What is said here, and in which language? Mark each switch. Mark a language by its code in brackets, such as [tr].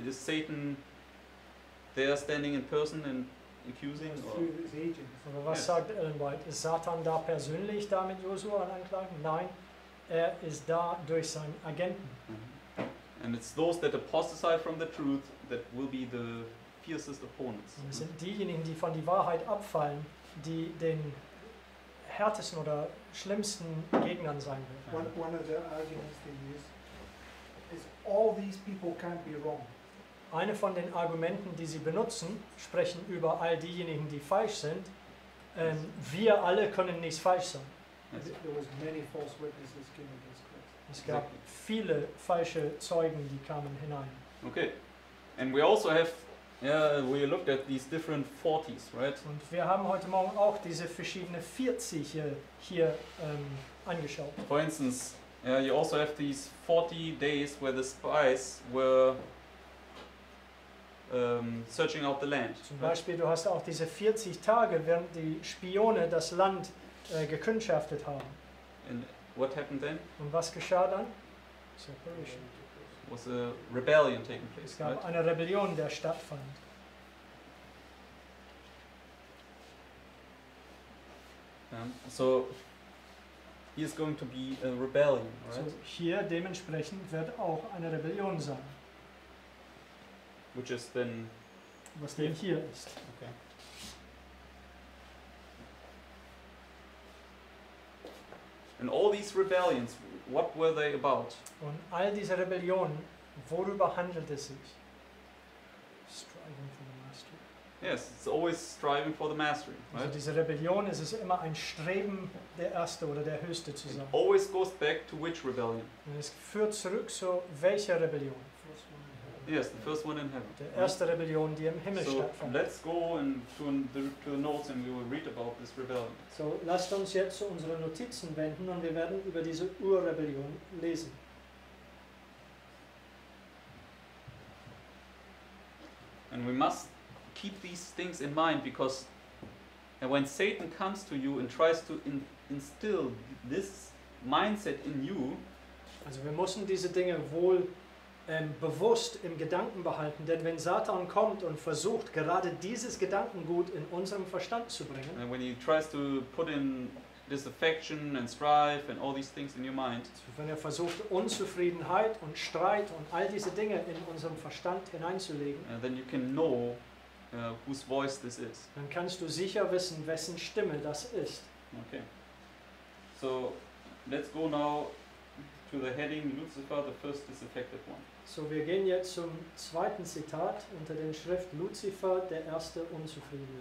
[en] Is Satan there standing in person and accusing? [de] Or? Aber was sagt Ellen White? Ist Satan da persönlich da mit Joshua anklagen? Nein, er ist da durch seinen Agenten. [en] And it's those that apostatize from the truth that will be the fiercest opponents. [de] Und es sind diejenigen, die von der Wahrheit abfallen, die den härtesten oder schlimmsten Gegnern sein werden. [en] One of the arguments they use is all these people can't be wrong. [de] Eine von den Argumenten, die sie benutzen, sprechen über all diejenigen, die falsch sind. Wir alle können nicht falsch sein. [en] There was many false witnesses given against Christ. [de] Es gab viele falsche Zeugen, die kamen hinein. [en] Okay, and we also have we looked at these different 40s, right? [de] Und wir haben heute Morgen auch diese verschiedenen 40 hier angeschaut. [en] For instance, you also have these 40 days where the spies were searching out the land. [de] Zum Beispiel, right? Du hast auch diese 40 Tage, während die Spione das Land gekundschaftet haben. [en] And what happened then? [de] Und was geschah dann? [en] Separation. Was a rebellion taking place, [de] es gab [en] right? [de] eine Rebellion, der stattfand. [en] So, here is going to be a rebellion, right? [de] So, hier dementsprechend wird auch eine Rebellion sein. [en] Which is then... [de] Was denn hier ist. [en] Okay. And all these rebellions, what were they about? [de] Und all diese Rebellionen, worüber handelt es sich? [en] Striving for the mastery. Yes, it's always striving for the mastery. Right? [de] Also diese Rebellion, es ist immer ein Streben, der Erste oder der Höchste zu sein. [en] It always goes back to which rebellion? [de] Und es führt zurück zu welcher Rebellion? [en] Yes, the first one in heaven. [de] Der erste Rebellion, die im Himmel stattfand. [en] So, let's go and to the notes and we will read about this rebellion. [de] So, lasst uns jetzt zu unseren Notizen wenden und wir werden über diese Urrebellion lesen. [en] And we must keep these things in mind because when Satan comes to you and tries to instill this mindset in you, [de] also wir müssen diese Dinge wohl bewusst im Gedanken behalten, denn wenn Satan kommt und versucht, gerade dieses Gedankengut in unserem Verstand zu bringen, [en] and when he tries to put in disaffection and strife and all these things in your mind, [de] wenn er versucht, Unzufriedenheit und Streit und all diese Dinge in unserem Verstand hineinzulegen, [en] then you can know whose voice this is. [de] Dann kannst du sicher wissen, wessen Stimme das ist. [en] Okay. So, let's go now to the heading Lucifer, the first disaffected one. [de] So, wir gehen jetzt zum zweiten Zitat unter den Schrift Lucifer, der erste Unzufriedene.